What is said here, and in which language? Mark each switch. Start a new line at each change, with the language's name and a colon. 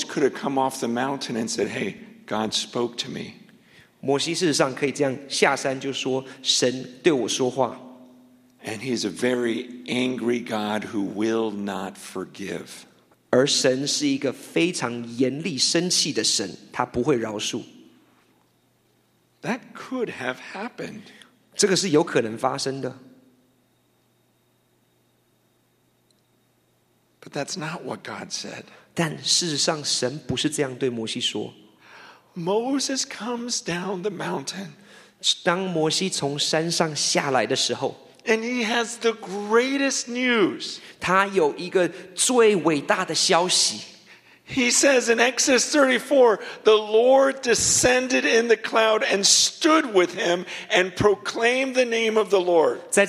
English: could have come off the mountain and said, "Hey." God spoke to me.
Chinese: 摩西事实上可以这样下山就说神对我说话。
English: And he is a very angry God who will not forgive.
Chinese: 而神是一个非常严厉生气的神，他不会饶恕。
English: That could have happened.
Chinese: 这个是有可能发生的。
English: But that's not what God said.
Chinese: 但事实上神不是这样对摩西说。
English: Moses comes down the mountain.
Chinese: 当摩西从山上下来的时候，
English: and he has the greatest news.
Chinese: 他有一个最伟大的消息。
English: He says in Exodus 34, the Lord descended in the cloud and stood with him and proclaimed the name of the Lord.